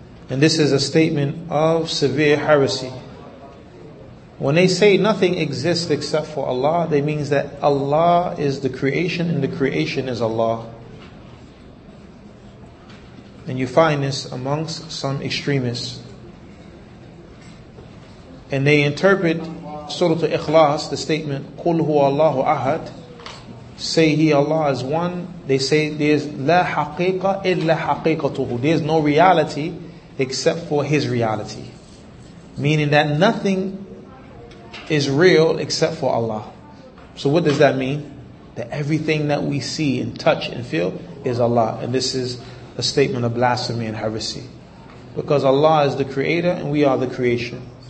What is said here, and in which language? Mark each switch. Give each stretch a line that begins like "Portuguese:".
English: And this is a statement of severe heresy. When they say nothing exists except for Allah, that means that Allah is the creation and the creation is Allah. And you find this amongst some extremists. And they interpret Surah Al-Ikhlas, the statement,
Arabic: قُلْ هُوَ اللَّهُ أَحَدْ,
English: say He Allah is one. They say there's
Arabic: لَا حَقِيقَ إِلَّا حَقِيقَتُهُ.
English: There's no reality except for His reality. Meaning that nothing is real except for Allah. So what does that mean? That everything that we see and touch and feel is Allah. And this is a statement of blasphemy and heresy. Because Allah is the creator and we are the creation.